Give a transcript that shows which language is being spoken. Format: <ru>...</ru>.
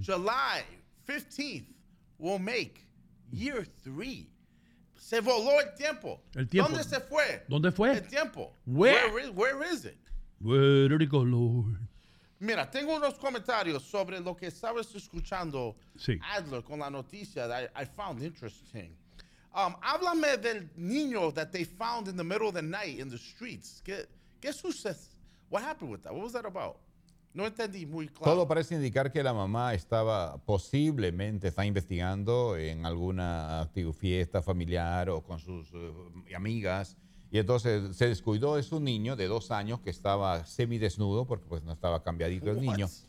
<en>July 15th will make year 3.</en> <es>Se voló el tiempo. El tiempo. ¿Dónde se fue? ¿Dónde fue? El tiempo.</es> <en>Where is it? Where did it go, Lord?</en> <es>Mira, tengo unos comentarios sobre lo que estabas escuchando, sí,</es> <en>Adler,</en> <es>con la noticia</es> <en>that I found interesting.</en> <es>Háblame del niño</es> <en>that they found in the middle of the night in the streets.</en> <es>¿Qué sucedió?</es> <en>What happened with that? What was that about?</en> <es>No entendí muy claro. Todo parece indicar que la mamá estaba posiblemente, está investigando en alguna fiesta familiar o con sus amigas. Y entonces se descuidó de su niño de 2 años que estaba semidesnudo porque pues no estaba cambiadito el niño.</es>